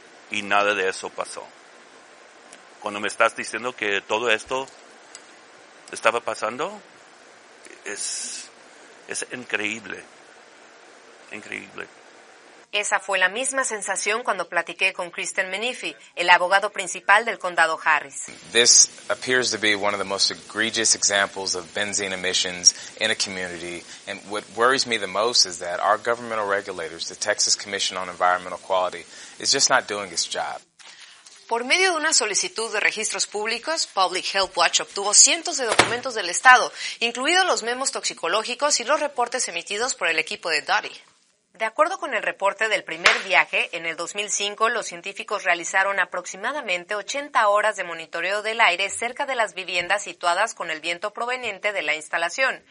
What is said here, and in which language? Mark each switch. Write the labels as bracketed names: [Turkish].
[Spanish] Y nada de eso pasó. Cuando me estás diciendo que todo esto estaba pasando, es increíble, increíble. Esa fue la misma sensación cuando platiqué con Kristen Menifee, el abogado principal del condado Harris. [English] This appears to be one of the most egregious examples of benzene emissions in a community. And what worries me the most is that our governmental regulators, the Texas Commission on Environmental Quality, is just not doing its job. [Spanish] Por medio de una solicitud de registros públicos, Public Health Watch obtuvo cientos de documentos del estado, incluidos los memos toxicológicos y los reportes emitidos por el equipo de Dottie. De acuerdo con el reporte del primer viaje, en el 2005 los científicos realizaron aproximadamente 80 horas de monitoreo del aire cerca de las viviendas situadas con el viento proveniente de la instalación.